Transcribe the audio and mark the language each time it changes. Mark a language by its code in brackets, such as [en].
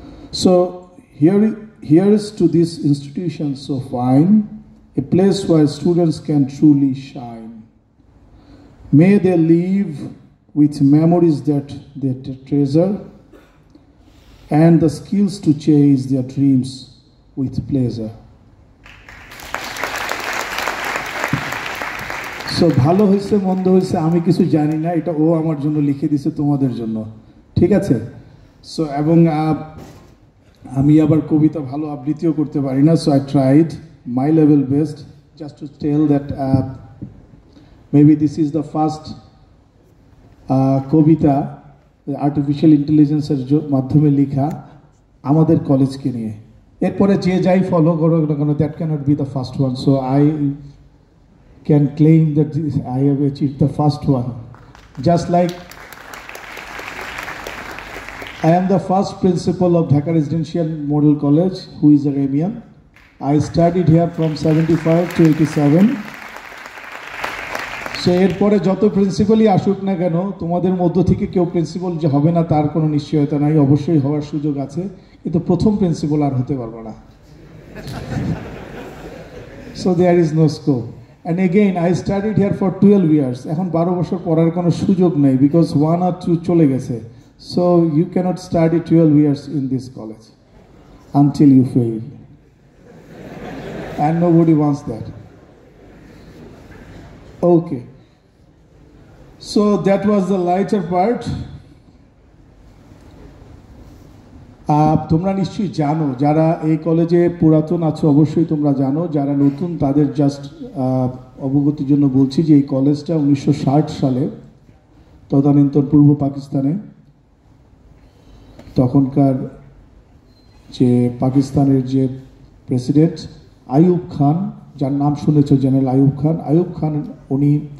[en] So here's to this institution so fine, a place where students can truly shine. May they live with memories that they treasure and the skills to chase their dreams with pleasure. [bn] So, ভালো হয়েছে মন্দ হয়েছে আমি কিছু জানি না এটা ও আমার জন্য লিখে দিয়েছে তোমাদের জন্য ঠিক আছে সো এবং আমি আবার কবিতা ভালো আবৃত্তিও করতে পারি না [en] so I tried my level best just to tell that maybe this is the first [bn] Kabita artificial ইন্টেলিজেন্সের মাধ্যমে লিখা আমাদের কলেজকে নিয়ে এরপরে যে যাই ফলো করো না কেন [en] That cannot be the first one so I can claim that this, I have achieved the first one. Just like I am the first principal of Dhaka Residential Model College, who is a REMIAN. I studied here from 75 to 87. [bn] So এরপরে যত প্রিন্সিপালই আসুক না কেন তোমাদের মধ্য থেকে কেউ principal যে হবে না তার কোনো নিশ্চয়তা নাই অবশ্যই হওয়ার সুযোগ আছে কিন্তু প্রথম প্রিন্সিপাল আর হতে পারবো না [en] So there is no scope And again, I studied here for 12 years. [bn] এখন 12 বছর পড়ার কোনো সুযোগ নেই [en] because one or two [bn] চলে গেছে. [en] So you cannot study 12 years in this college until you fail. And nobody wants that. Okay. So that was the lighter part. [bn] তোমরা নিশ্চয়ই জানো যারা এই কলেজে পুরাতন আছো অবশ্যই তোমরা জানো যারা নতুন তাদের জাস্ট অবগতির জন্য বলছি যে এই কলেজটা 1960 সালে তদানীন্তন পূর্ব পাকিস্তানে তখনকার যে পাকিস্তানের যে প্রেসিডেন্ট আইয়ুব খান যার নাম শুনেছ জেনারেল আইয়ুব খান উনি